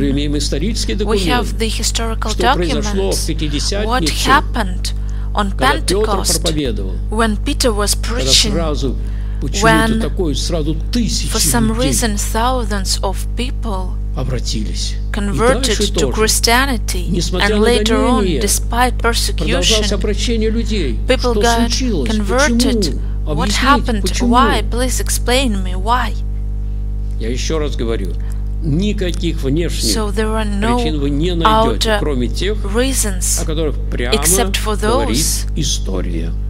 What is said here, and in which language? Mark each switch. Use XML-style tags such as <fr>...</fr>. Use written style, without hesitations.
<ru>Мы имеем исторический документ.</ru> <en>We have the historical</en> <ru>что</ru> <en>documents.</en> <ru>Что произошло в Пятидесятнице?</ru> <en>What happened on Pentecost? When Peter was preaching.</en> <ru>Сразу почему-то такое сразу тысячи</ru> <en>For some reason, thousands of people.</en> <ru>Обратились.</ru> <en>Converted to Christianity, and later on, despite persecution, people got converted. What happened? Why? Please explain me why.</en> <ru>Я еще раз говорю, никаких внешних причин вы не найдете, кроме тех, о которых прямо говорит история.</ru>